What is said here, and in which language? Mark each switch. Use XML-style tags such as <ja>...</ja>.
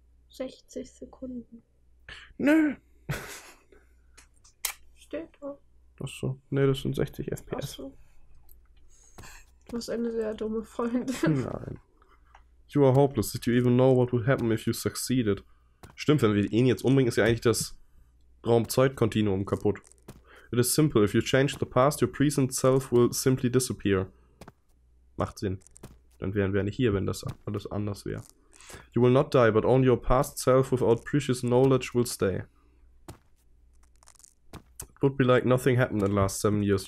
<de>60 Sekunden. Nö. Steht doch. Ach so. Nee, das sind 60 FPS. Ach so. Du hast eine sehr dumme Freundin. Nein.</de> <en>You are hopeless. Did you even know what would happen if you succeeded?</en> <de>Stimmt, wenn wir ihn jetzt umbringen, ist ja eigentlich das Raum-Zeit-Kontinuum kaputt.</de> <en>It is simple. If you change the past, your present self will simply disappear.</en> <de>Macht Sinn. Dann wären wir nicht hier, wenn das alles anders wäre.</de> <en>You will not die, but only your past self without precious knowledge will stay. It would be like nothing happened in the last 7 years.</en>